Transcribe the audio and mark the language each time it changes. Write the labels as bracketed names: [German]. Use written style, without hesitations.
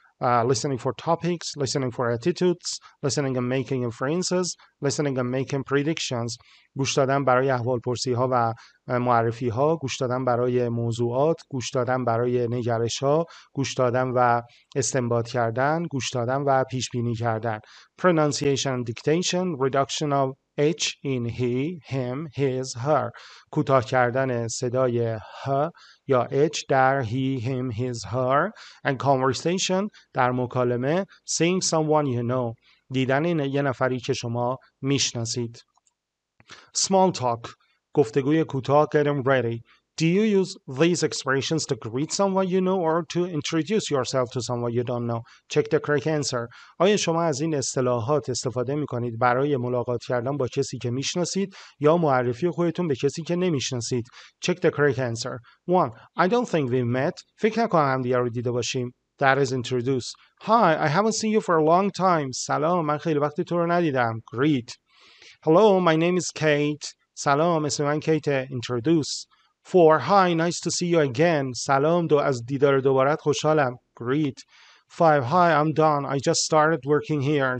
[English] Listening for topics, listening for attitudes, listening and making inferences, listening and making predictions. [Persian] گوش دادن برای احوال پرسی ها و معرفی ها. گوش دادن برای موضوعات. گوش دادن برای نگرش ها. گوش دادن و استنباط کردن. گوش دادن و پیشبینی کردن. [English] Pronunciation and dictation, reduction of H in he, him, his, her. [Persian] کوتاه کردن صدای ه یا H در he, him, his, her. [English] And conversation, [Persian] در مکالمه. [English] Seeing someone you know. [Persian] دیدن یه نفری که شما میشناسید. [English] Small talk. [Persian] گفتگوی کوتاه. [English] Get him ready. Do you use these expressions to greet someone you know or to introduce yourself to someone you don't know? Check the correct answer. [Persian] آیا شما از این اصطلاحات استفاده می کنید برای ملاقات کردن با کسی که می شناسید یا معرفی خودتون به کسی که نمی شناسید؟ [English] Check the correct answer. 1. I don't think we met. [Persian] فکر نکنم هم دیگر رو دیده باشیم. [English] That is introduce. Hi, I haven't seen you for a long time. [Persian] سلام، من خیلی وقتی تو رو ندیدم. [English] Greet. Hello, my name is Kate. [Persian] سلام، اسم من کیته. [English] Introduce. 4. Hi, nice to see you again. [Persian] سلام، دو از دیدار دوبارت خوشحالم. [English] Greet. 5. Hi, I'm Don. I just started working here.